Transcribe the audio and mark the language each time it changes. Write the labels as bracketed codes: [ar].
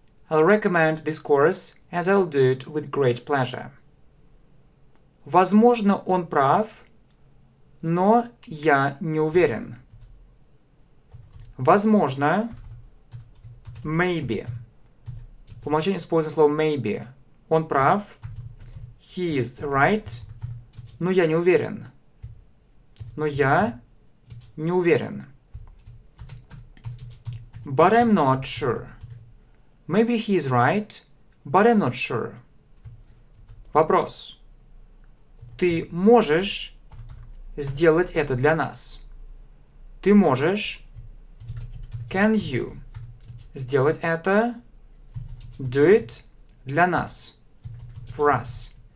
[en] I'll recommend this course, and I'll do it with great pleasure. [ru] Возможно, он прав, но я не уверен. Возможно, maybe. По умолчанию используем слово maybe. Он прав, [en] he is right, [ru] но я не уверен. Но я не уверен. [en] But I'm not sure. Maybe he is right, but I'm not sure. [ru] Вопрос. Ты можешь сделать это для нас? Ты можешь? [en] Can you [ru] сделать это? [en] Do it [ru] для нас. [en] For us.